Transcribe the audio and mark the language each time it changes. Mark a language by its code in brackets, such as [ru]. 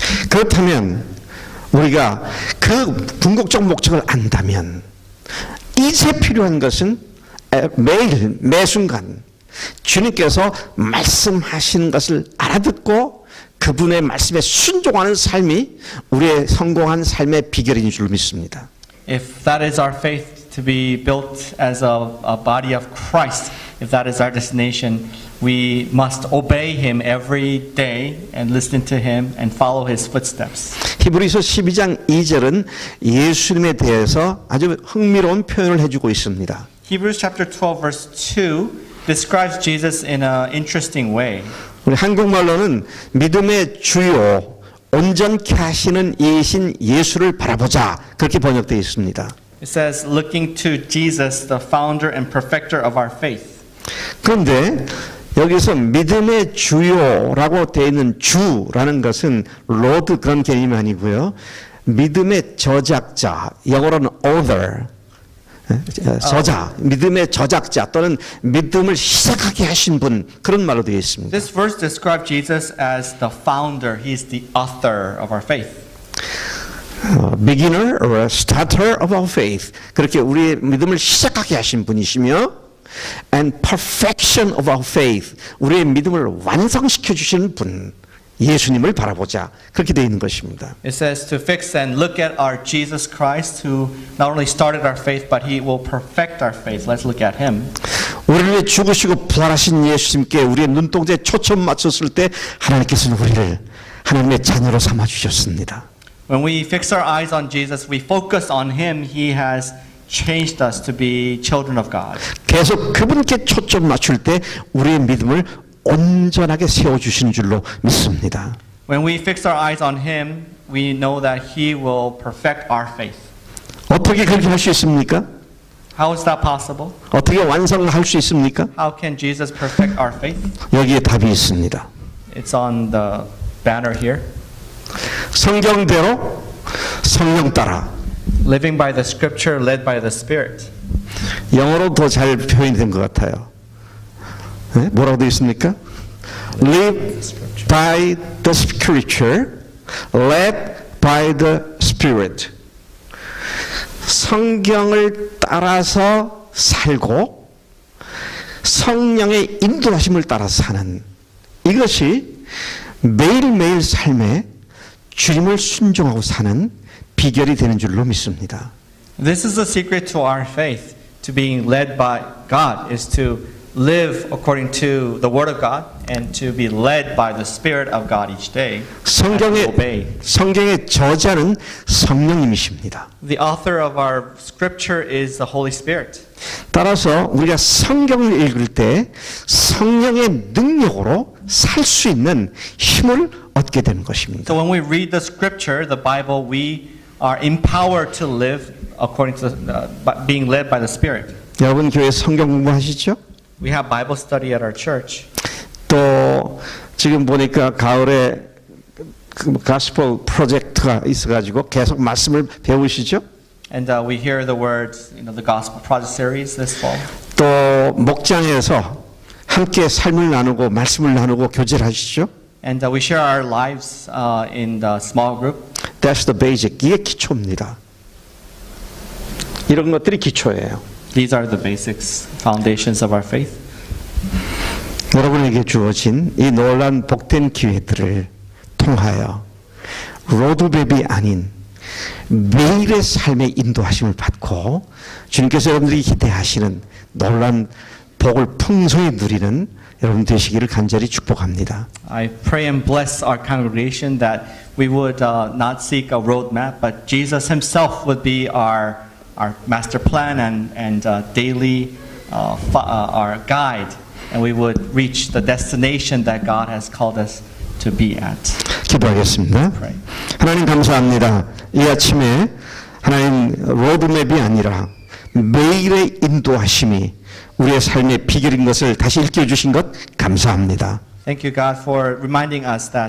[ko] 그렇다면 우리가 그 궁극적 목적을 안다면. 이제 필요한 것은 매일 매 순간 주님께서 말씀하시는 것을 알아듣고 그분의 말씀에 순종하는 삶이 우리의 성공한 삶의 비결인 줄 믿습니다. [en] If that is our faith to be built as a body of Christ, if that is our destination, we must obey Him every day and listen to Him and follow His footsteps. [ko] 히브리서 12장 2절은 예수님에 대해서 아주 흥미로운 표현을 해주고 있습니다. [en] Hebrews chapter 12 verse 2 describes Jesus in an interesting way. [ko] 우리 한국말로는 믿음의 주요 온전케 하시는 이신 예수를 바라보자 그렇게 번역되어 있습니다. [en] It says looking to Jesus, the founder and perfecter of our faith. [ko] 그런데 여기서 믿음의 주요라고 되어 있는 주라는 것은 로드 그런 개념이 아니고요. 믿음의 저작자, 영어로는 author, 저자, 믿음의 저작자 또는 믿음을 시작하게 하신 분 그런 말로 되어 있습니다. [en] This verse describes Jesus as the founder. He is the author of our faith. Beginner or a starter of our faith. [ko] 그렇게 우리의 믿음을 시작하게 하신 분이시며 [en] and perfection of our faith, [ko] 우리의 믿음을 완성시켜 주시는 분, 예수님을 바라보자. 그렇게 되어 있는 것입니다. [en] It says to fix and look at our Jesus Christ who not only started our faith, but he will perfect our faith. Let's look at him. [ko] 우리를 죽으시고 부활하신 예수님께 우리의 눈동자에 초점 맞췄을 때 하나님께서는 우리를 하나님의 자녀로 삼아주셨습니다. [en] When we fix our eyes on Jesus, we focus on him, he has changed us to be children of God. [ko] 계속 그분께 초점 맞출 때 우리의 믿음을 온전하게 세워 주시는 줄로 믿습니다. [en] When we fix our eyes on him, we know that he will perfect our faith. [ko] 어떻게 그렇게 할 수 있습니까? [en] How is that possible? [ko] 어떻게 완성할 수 있습니까? [en] How can Jesus perfect our faith? [ko] 여기에 답이 있습니다. [en] It's on the banner here. [ko] 성경대로 성령 따라 [en] Living by the scripture, led by the spirit. [ko] 영어로 더 잘 표현이 된 것 같아요. 네? 뭐라고 되어 있습니까? [en] Live by the scripture, led by the spirit. [ko] 성경을 따라서 살고 성령의 인도하심을 따라서 사는 이것이 매일매일 삶의 주님을 순종하고 사는 비결이 되는 줄로 믿습니다. [en] This is the secret to our faith, to being led by God, is to live according to the word of God and to be led by the spirit of God each day. [ko] 성경의 저자는 성령님이십니다. [en] The author of our scripture is the Holy Spirit. [ko] 따라서 우리가 성경을 읽을 때 성령의 능력으로 살 수 있는 힘을 얻게 되는 것입니다. [en] So when we read the scripture, the Bible, we are empowered to live according to being led by the spirit. [ko] 여러분 교회 성경 공부하시죠? [en] We have Bible study at our church. [ko] 또 지금 보니까 가을에 gospel project가 있어가지고 계속 말씀을 배우시죠? [en] And we hear the words, you know, the gospel project series this fall. [ko] 또 목장에서 함께 삶을 나누고 말씀을 나누고 교제를 하시죠? [en] And we share our lives in the small group. That's the basic. [ko] 이게 기초입니다. 이런 것들이 기초예요. [en] These are the basics, foundations of our faith. [ko] 여러분에게 주어진 이 놀란 복된 기회들을 통하여 로드맵이 아닌 매일의 삶의 인도하심을 받고 주님께서 여러분들이 기대하시는 놀란 복을 풍성히 누리는 여러분 되시기를 간절히 축복합니다. [en] I pray and bless our congregation that we would not seek a roadmap, but Jesus Himself would be our master plan and daily our guide, and we would reach the destination that God has called us to be at. [ko] 기도하겠습니다. 하나님 감사합니다. 이 아침에 하나님 로드맵이 아니라 매일의 인도하심이 우리의 삶의 비결인 것을 다시 일깨워 주신 것 감사합니다. [en] Thank you, God, for reminding us that.